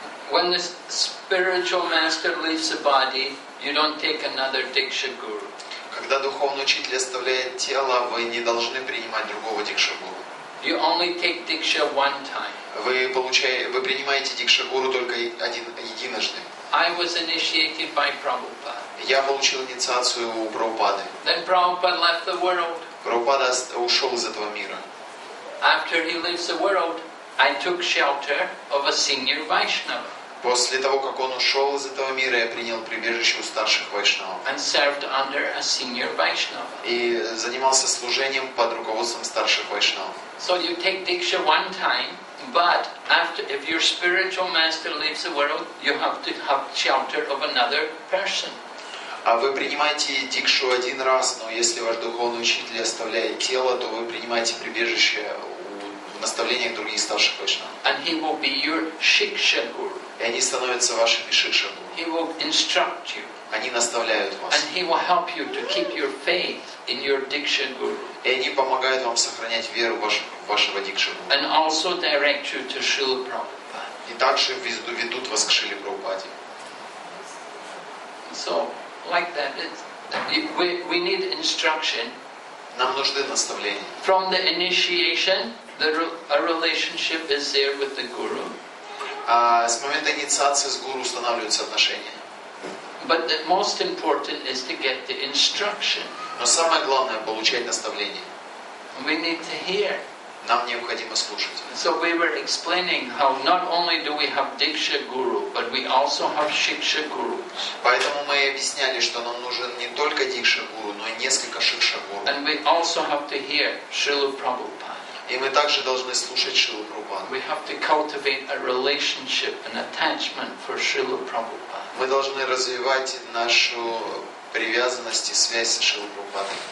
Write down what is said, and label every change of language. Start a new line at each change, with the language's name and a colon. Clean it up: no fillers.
English: When the spiritual master leaves the body, you don't take another diksha guru.
Russian: Когда духовный учитель оставляет тело, вы не должны принимать другого дикша гуру.
English: You only take diksha one time.
Russian: Вы принимаете дикша гуру только единожды.
English: I was initiated by Prabhupada.
Russian: Я получил инициацию у Прабхупады.
English: Then Prabhupada left the world.
Russian: Прабхупада ушел из этого мира.
English: After he leaves the world, I took shelter of a senior Vaishnava.
Russian: После того, как он ушел из этого мира, я принял прибежище у старших вайшнавов.
English: And served under a senior Vaishnava.
Russian: И занимался служением под руководством старших вайшнавов.
English: So you take diksha one time, but after, if your spiritual master leaves the world, you have to have shelter of another person.
Russian: А вы принимаете дикшу один раз, но если ваш духовный учитель оставляет тело, то вы принимаете прибежище в наставлениях других старших вайшнавов.
English: And he will be your shiksha guru.
Russian: И они становятся вашими шикша гуру.
English: He will instruct you.
Russian: Они наставляют вас.
English: And he will help you to keep your faith in your diksha guru.
Russian: И они помогают вам сохранять веру вашего дикшу гуру.
English: And also direct you to Шрила Прабхупаде.
Russian: И также ведут вас к Шриле Прабхупаде.
English: So, like that, we need instruction.
Russian: Нам нужны наставления.
English: From the initiation, a relationship is there with the guru.
Russian: С момента инициации с гуру устанавливаются отношения.
English: But the most important is to get the instruction.
Russian: Но самое главное получать наставление.
English: We need to hear.
Russian: Нам необходимо слушать.
English: So we were explaining how not only do we have diksha guru, but we also have shiksha guru.
Russian: Поэтому мы объясняли, что нам нужен не только диксха гуру, но и несколько шикша гуру.
English: And we also have to hear Шрилу Прабхупада.
Russian: И мы также должны слушать Шрилу Прабхупаду.
English: We have to cultivate a relationship, an attachment for Шрилу Прабхупаду.
Russian: Мы должны развивать нашу привязанность и связь со Шрилой Прабхупадой.